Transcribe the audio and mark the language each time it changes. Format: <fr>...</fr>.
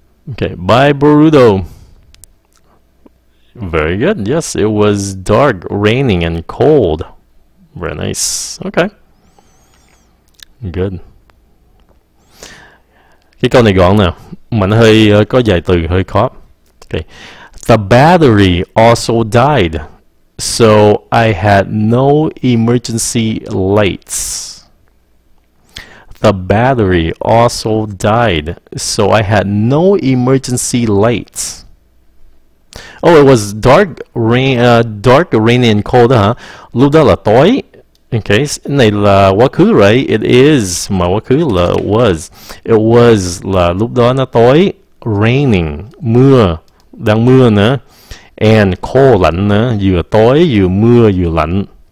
<en>Okay, bye Boruto. Very good. Yes, it was dark, raining and cold. Very nice. Okay. Good.</en> <vi>Cái câu này gọn nè. Mà nó hơi có vài từ hơi khó. Okay.</vi> <en>The battery also died, so I had no emergency lights. The battery also died, so I had no emergency lights. Oh, it was dark, rainy and cold, huh?</en> <vi>Lúc đó là tối. Okay, này là quá khứ, right?</vi> <en>It is,</en> <vi>mà quá khứ là was.</vi> <en>It was</en> <vi>là lúc đó nó tối, raining, mưa, đang mưa nữa.</vi> <en>And cold,</en> <vi>lạnh nữa, vừa tối, vừa mưa, vừa lạnh.</vi>